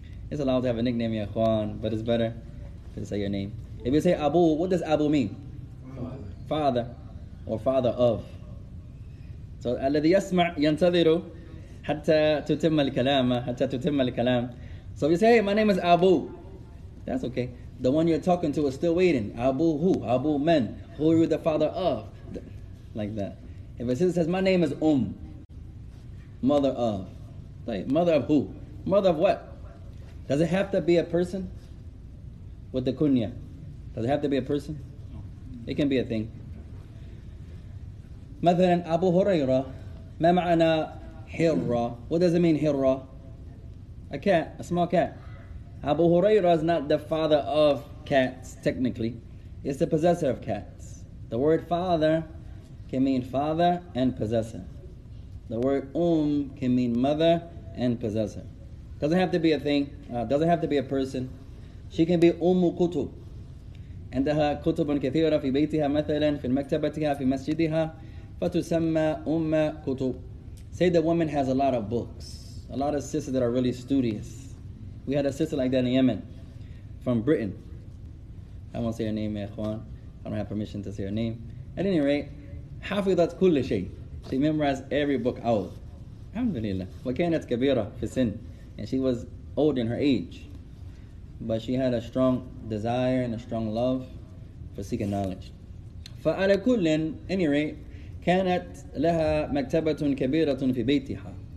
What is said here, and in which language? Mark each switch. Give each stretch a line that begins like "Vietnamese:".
English: It's allowed to have a nickname
Arabic: يا أخوان,
English: but it's better to say your name. If you say Abu, what does Abu mean? Father. Father. Or father of.
Arabic: So, الذي يسمع ينتظر حتى تتم الكلام. حتى تتم الكلام.
English: So, if you say, hey, my name is Abu. That's okay. The one you're talking to is still waiting. Abu who? Abu men. Who are you the father of? Like that. If a sister says, my name is mother of. Like, mother of who? Mother of what? Does it have to be a person? With the kunya. Does it have to be a person? It can be a thing.
Arabic: مثلا أبو هريرة ما معنى هرة.
English: What does it mean هرة? A cat, a small cat. أبو هريرة is not the father of cats, technically. It's the possessor of cats. The word father can mean father and possessor. The word can mean mother and possessor. Doesn't have to be a thing. Doesn't have to be a person. She can be كتب.
Arabic: عندها كتب كثيرة في بيتها مثلا في مكتبتها في مسجدها فتسمى كتب.
English: Say the woman has a lot of books. A lot of sisters that are really studious. We had a sister like that in Yemen from Britain. I won't say her name,
Arabic: يا اخوان.
English: I don't have permission to say her name. At any rate,
Arabic: حفظت كل شيء.
English: She memorized every book out.
Arabic: الحمد لله. وكانت كبيرة في السن.
English: And she was old in her age. But she had a strong desire and a strong love for seeking knowledge.
Arabic: فعلى كل
English: any rate,
Arabic: كانت لها مكتبة كبيرة في بيتها.